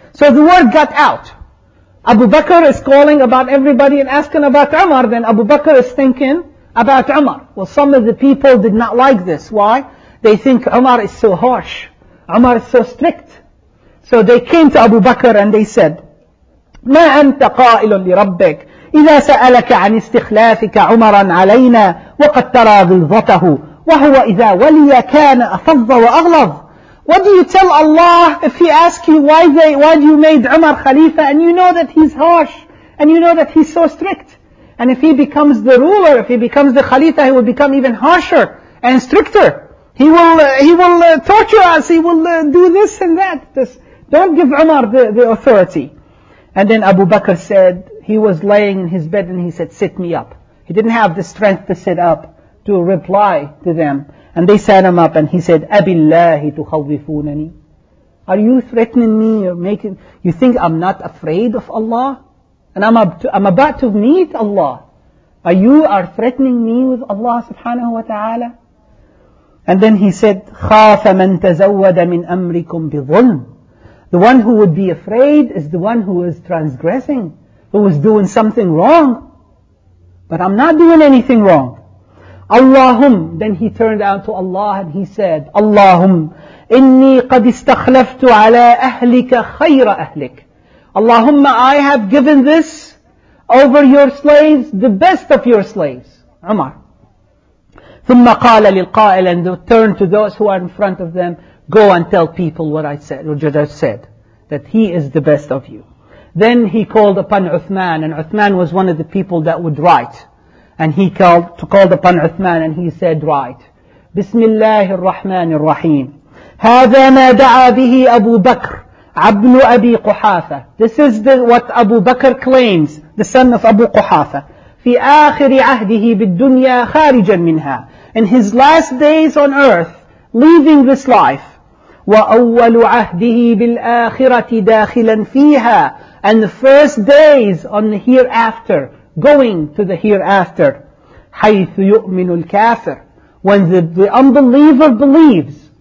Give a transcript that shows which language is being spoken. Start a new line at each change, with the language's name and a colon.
English: So the word got out. Abu Bakr is calling about everybody and asking about Umar. Then Abu Bakr is thinking about Umar. Well, some of the people did not like this. Why? They think Umar is so harsh. Umar is so strict. So they came to Abu Bakr and they said,
Arabic: مَا أَنْتَ قَائِلٌ لِرَبِّكَ إِذَا سَأَلَكَ عَنِ اسْتِخْلَافِكَ عُمَرًا عَلَيْنَا وَقَدْ تَرَى ذُلْضَتَهُ وَهُوَ إِذَا وَلِيَ كَانَ أَفَضَّ وَأَغْلَظُ.
English: What do you tell Allah if He asks you why do you made Umar Khalifa, and you know that he's harsh, and you know that he's so strict, and if he becomes the ruler, if he becomes the Khalifa, he will become even harsher and stricter. He will torture us. He will do this and that. This, don't give Umar the authority. And then Abu Bakr said, he was laying in his bed and he said, sit me up. He didn't have the strength to sit up to reply to them. And they sat him up and he said,
Arabic: أَبِاللَّهِ تُخَوِّفُونَنِي.
English: Are you threatening me? You think I'm not afraid of Allah? And I'm about to meet Allah. Are you threatening me with Allah subhanahu wa ta'ala? And then he said,
Arabic: خَافَ مَنْ تَزَوَّدَ مِنْ أَمْرِكُمْ بِظُلْمٍ.
English: The one who would be afraid is the one who is transgressing, who is doing something wrong. But I'm not doing anything wrong. Allahum, then he turned out to Allah and he said, Allahum,
Arabic: إِنِّي قَدْ اسْتَخْلَفْتُ عَلَىٰ أَهْلِكَ خَيْرَ أَهْلِكَ.
English: Allahumma, I have given this over your slaves, the best of your slaves, Umar.
Arabic: ثُمَّ قَالَ لِلْقَائِلِ,
English: and turned to those who are in front of them, go and tell people what I said, or just said, that he is the best of you. Then he called upon Uthman, and Uthman was one of the people that would write. And he called upon Uthman, and he said, write.
Arabic: بسم الله الرحمن الرحيم. هذا ما دعا به أبو بكر عبن أبي قحافة.
English: This is what Abu Bakr claims, the son of Abu Quhafa.
Arabic: في آخر عهده بالدنيا خارجا منها.
English: In his last days on earth, leaving this life.
Arabic: وأول عهده بالآخرة داخلا فيها,
English: and the first days on the hereafter, going to the hereafter,
Arabic: حيث يؤمن الكافر,
English: when the unbeliever believes.